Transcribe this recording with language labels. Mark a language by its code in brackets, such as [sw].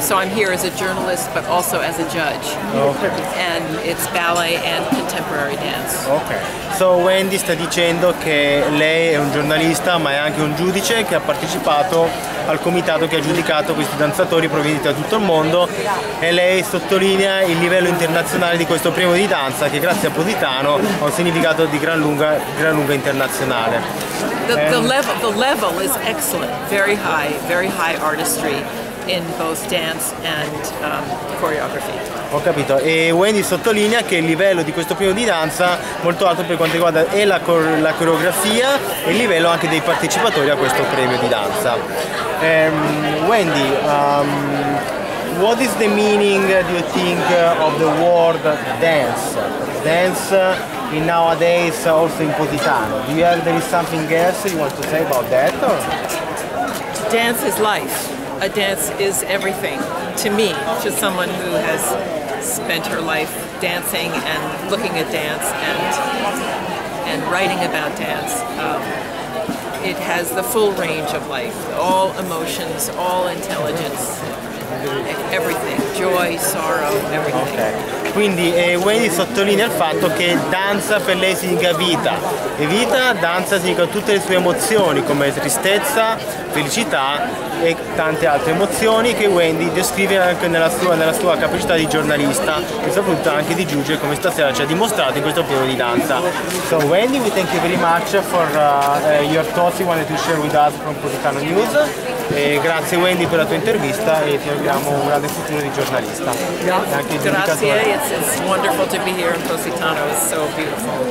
[en] So I'm here as a journalist, but also as a judge. Okay. And it's ballet and contemporary dance. Okay. [it] So Wendy sta dicendo che lei è un giornalista, ma è anche un giudice che ha partecipato al comitato che ha giudicato questi danzatori provenienti da tutto il mondo, e lei sottolinea il livello internazionale di questo premio di danza che, grazie a Positano, ha un significato di gran lunga internazionale. [en] The level is excellent, very high artistry in both dance and choreography. [it] Ho capito, e Wendy sottolinea che il livello di questo premio di danza è molto alto per quanto riguarda e la coreografia e il livello anche dei partecipatori a questo premio di danza. [en] Wendy, what is the meaning, do you think, of the word dance? Dance in nowadays also in Positano. Do you have there is something else you want to say about that? Or? Dance is life. A dance is everything to me, to someone who has spent her life dancing and looking at dance and writing about dance. It has the full range of life, all emotions, all intelligence, everything, joy, sorrow, everything. Okay. [it] Quindi Wendy sottolinea il fatto che danza per lei significa vita, e vita, danza significa tutte le sue emozioni come tristezza, felicità e tante altre emozioni che Wendy descrive anche nella sua capacità di giornalista e soprattutto anche di giudice, come stasera ci ha dimostrato in questo periodo di danza. [en] So Wendy, we thank you very much for your thoughts you wanted to share with us from Positano News. [it] E grazie Wendy per la tua intervista e ti auguriamo un grande futuro di giornalista. [en] Yeah. [it] Anche grazie, [en] it's wonderful to be here in Positano, it's so beautiful.